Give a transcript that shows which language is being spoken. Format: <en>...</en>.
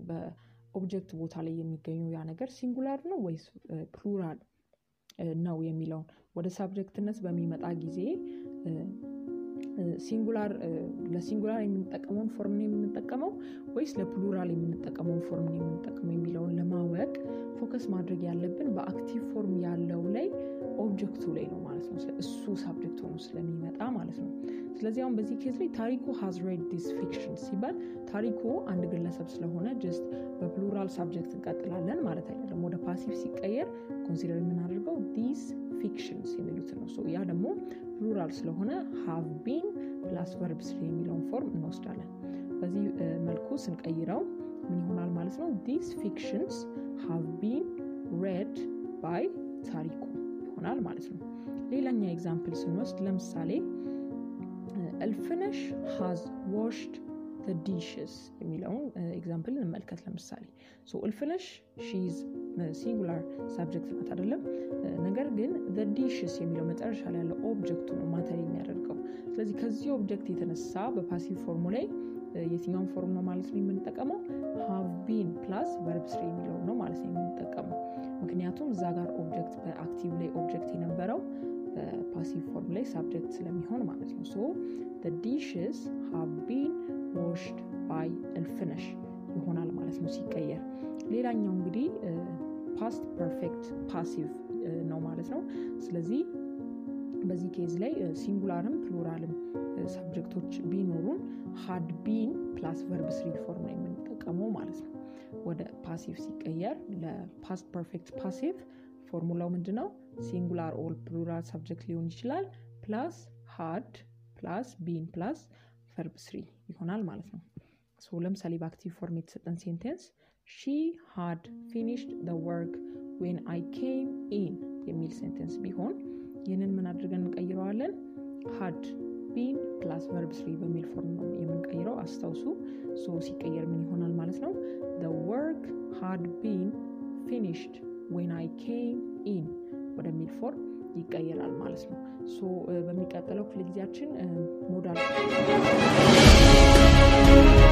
<am>በobject ቦታ ላይ የሚገኘው ያ ነገር singular ነው ወይስ plural ነው የሚለው ወደ subjectነት በሚመጣ ጊዜ singular ለsingular የምንጠቀመው form ነው የምንጠቀመው ወይስ ለplural የምንጠቀመው form ነው የምንጠቀመው የሚለውን ለማወቅ focus ማድረግ ያለብን በactive form ያለው ላይ object ላይ ነው ማለት ነው. እሱ subject ሆኖ ስለሚመጣ ማለት ነው. ስለዚህ አሁን በዚህ ኬዝ ላይ ታሪኩ has read this fiction ሲባል ታሪኩ አንድ ግለሰብ ስለሆነ just በplural subject እንቀጥላለን ማለት አይደለም. ወደ passive ሲቀየር consider የምናደርገው this fiction ሲሚሉት ነው.</am> <en>so ያ ደግሞ plural ስለሆነ have been plus verb 3 የሚለውን form እንወስዳለን.</en> <am>በዚህ መልኩ ስንቀይረው ምን ይሆናል ማለት ነው</am> <en>these fictions have been read by Tariku</en> <am>ይሆናል ማለት ነው. ሌላኛ ኤግዛምፕል ስንወስድ ለምሳሌ Elfinish has washed the dishes የሚለውን ኤግዛምፕል እንመልከት ለምሳሌ. so Elfinish she's singular subject ማለት አይደለም ነገር ግን the dishes የሚለው መጠርሻ ላይ ያለው object ነው ማተር የሚያደርገው. ስለዚህ ከዚህ object የተነሳ በpassive form ላይ የትኛውን ፎርም ነው ማለት ነው የምንጠቀመው? have been plus verb 3 የሚለው ነው ማለት ነው የምንጠቀመው. ምክንያቱም እዛ ጋር object በactive ላይ object የነበረው በpassive form ላይ subject ስለሚሆን ማለት ነው.</am> <en>so the dishes have been washed by Elfinish</en> <am>ይሆናል ማለት ነው ሲቀየር. ሌላኛው እንግዲህ past perfect passive ነው ማለት ነው. ስለዚህ በዚህ ኬዝ ላይ singularም pluralም subjectዎች ቢኖሩን had been plus verb 3 form ላይ የምንጠቀመው ማለት ነው. ወደ passive ሲቀየር ለpast perfect passive ፎርሙላው ምንድነው?</am> <en>singular or plural subject ሊሆን ይችላል plus had plus been plus verb 3 ይሆናል ማለት ነው.</en> <am>so ለምሳሌ በactive form የተሰጠን sentence</am> <en>she had finished the work when I came in</en> <am>የሚል sentence ቢሆን ይህንን ምን አድርገን እንቀይረዋለን? had been plus verb 3 በሚል ፎርም ነው የምንቀይረው አስተውሱ. so ሲቀየር ምን ይሆናል ማለት ነው?</am> <en>the work had been finished when I came in</en> <am>ወደሚል ፎርም ይቀየራል ማለት ነው. so በሚቀጥለው ክፍል ጊዜያችን ሞዳል</am>